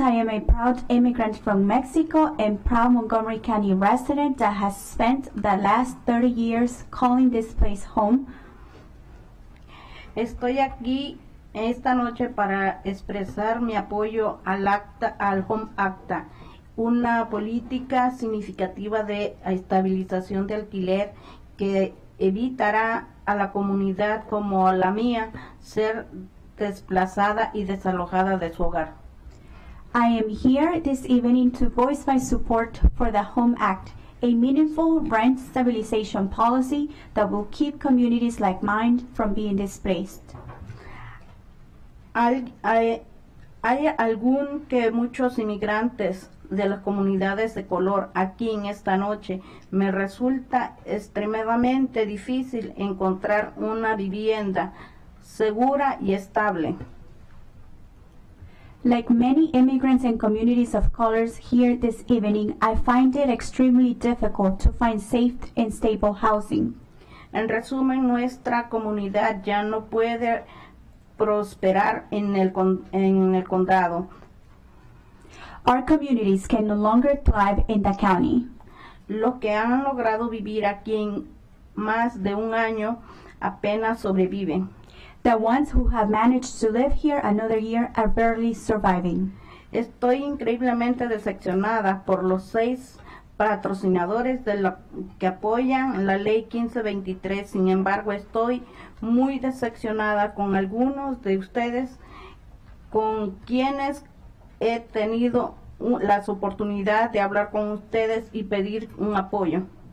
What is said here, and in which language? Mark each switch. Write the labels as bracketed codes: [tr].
[en] I am a proud immigrant from Mexico and proud Montgomery County resident that has spent the last 30 years calling this place home. [es] Estoy aquí esta noche para expresar mi apoyo al acta, al Home Acta, una política significativa de estabilización de alquiler que evitará a la comunidad como la mía ser desplazada y desalojada de su hogar. [en] I am here this evening to voice my support for the Home Act, a meaningful rent stabilization policy that will keep communities like mine from being displaced. [es] Hay algún que muchos inmigrantes de las comunidades de color aquí en esta noche, me resulta extremadamente difícil encontrar una vivienda segura y estable. [en] Like many immigrants and communities of colors here this evening, I find it extremely difficult to find safe and stable housing. [es] En resumen, nuestra comunidad ya no puede prosperar en el condado. [en] Our communities can no longer thrive in the county. [es] Los que han logrado vivir aquí en más de un año apenas sobreviven. [en] The ones who have managed to live here another year are barely surviving. [es] Estoy increíblemente decepcionada por los seis patrocinadores de la que apoyan la ley 1523. Sin embargo, estoy muy decepcionada con algunos de ustedes con quienes he tenido las oportunidades de hablar con ustedes y pedir un apoyo.